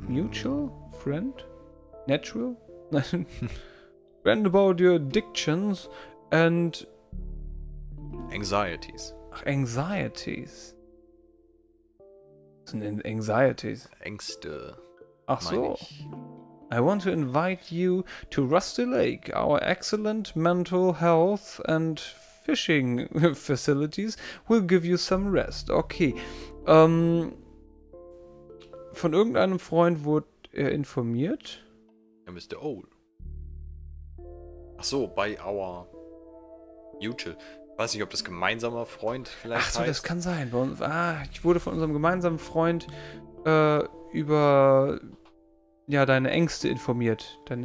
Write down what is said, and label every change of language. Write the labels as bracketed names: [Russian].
[English] Mutual? Friend? Natural? [German] Nein. [English] Friend about your addictions and Anxieties. [German] Ach, Anxieties. Was sind denn Anxieties? Ängste. Ach so. [English] I want to invite you to Rusty Lake, our excellent mental health and fishing facilities will give you some rest. [German] Okay. Von irgendeinem Freund wurde er informiert. Ja, Mr. Owl. Ach so, bei [English] our mutual. [German] Weiß nicht, ob das gemeinsamer Freund vielleicht ist. Ach so, heißt. Das kann sein. Bei uns, ich wurde von unserem gemeinsamen Freund über ja, deine Ängste informiert.